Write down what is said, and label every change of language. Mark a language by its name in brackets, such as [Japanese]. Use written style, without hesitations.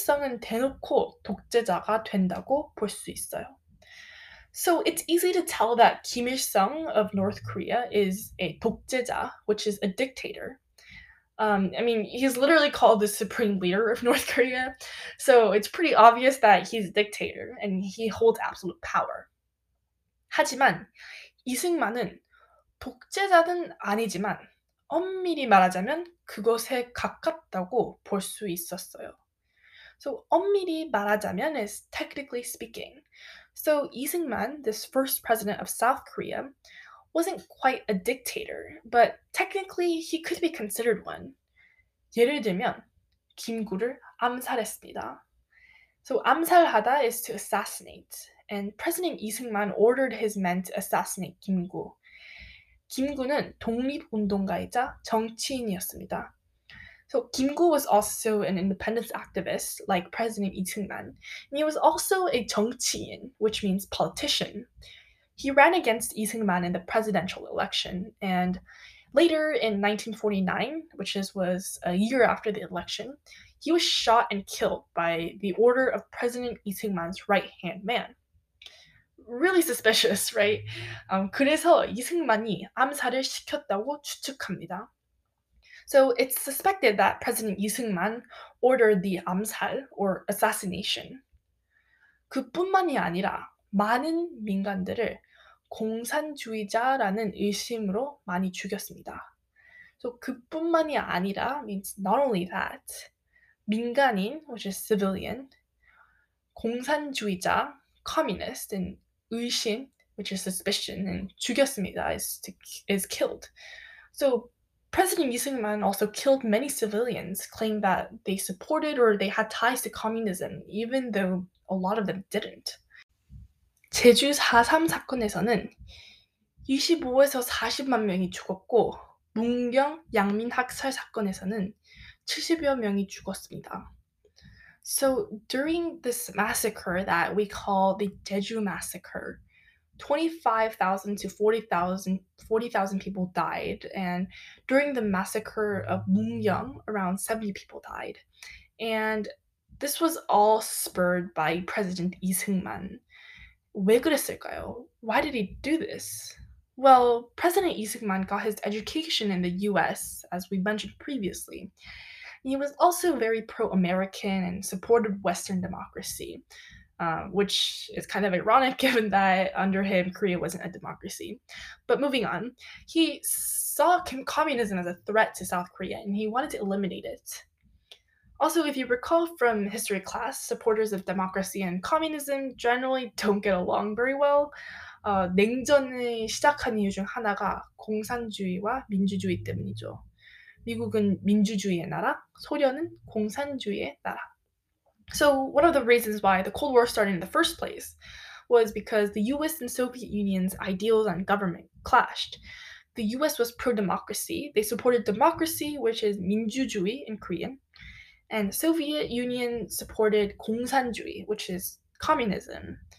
[Korean] 김일성은 대놓고 독재자가 된다고 볼 수 있어요. [English] So it's easy to tell that Kim Il-sung of North Korea is a 독재자, which is a dictator. He's literally called the supreme leader of North Korea. So it's pretty obvious that he's a dictator and he holds absolute power. [Korean] 하지만 이승만은 독재자는 아니지만 엄밀히 말하자면 그것에 가깝다고 볼 수 있었어요. [English] So [Korean] 엄밀히 말하자면 [English] is technically speaking. So Lee Seung-man, this first president of South Korea, wasn't quite a dictator, but technically he could be considered one. [Korean] 예를 들면, 김구를 암살했습니다. [English] So 암살하다 is to assassinate, and President Lee Seung-man ordered his men to assassinate 김구. [Korean] 김구는 독립운동가이자 정치인이었습니다. [English] So, 김구 was also an independence activist, like President Lee Seung-man. And he was also a 정치인, which means politician. He ran against Lee Seung-man in the presidential election. And later in 1949, which was a year after the election, he was shot and killed by the order of President Lee Seung-man's right-hand man. Really suspicious, right? [Korean] 그래서 이승만이 암살을 시켰다고 추측합니다. [English] So it's suspected that President Lee Seung-man ordered the 암살, or assassination. [Korean] 그뿐만이 아니라 많은 민간들을 공산주의자라는 의심으로 많이 죽였습니다. [English] So [Korean] 그뿐만이 아니라 [English] means not only that. 민간인, which is civilian, 공산주의자, communist, and 의심, which is suspicion, and 죽였습니다, is killed. So President Lee Seung-man also killed many civilians, claimed that they supported or they had ties to communism, even though a lot of them didn't. [Korean] 제주 4.3 사건에서는 25에서 40만 명이 죽었고, 문경 양민 학살 사건에서는 70여 명이 죽었습니다. [English] So during this massacre that we call the Jeju Massacre, 25,000 to 40,000 people died, and during the massacre of Munggyeong, around 70 people died. And this was all spurred by President Lee Seung-man. [Korean] 왜 그랬을까요? [English] Why did he do this? Well, President Lee Seung-man got his education in the U.S., as we mentioned previously. He was also very pro-American and supported Western democracy, which is kind of ironic given that under him, Korea wasn't a democracy. But moving on, he saw communism as a threat to South Korea and he wanted to eliminate it. Also, if you recall from history class, supporters of democracy and communism generally don't get along very well. [Korean] 냉전을 시작한 이유 중 하나가 공산주의와 민주주의 때문이죠. 미국은 민주주의의 나라, 소련은 공산주의의 나라. [English] So one of the reasons why the Cold War started in the first place was because the US and Soviet Union's ideals on government clashed. The US was pro-democracy. They supported democracy, which is 민주주의 in Korean. And Soviet Union supported 공산주의, which is communism.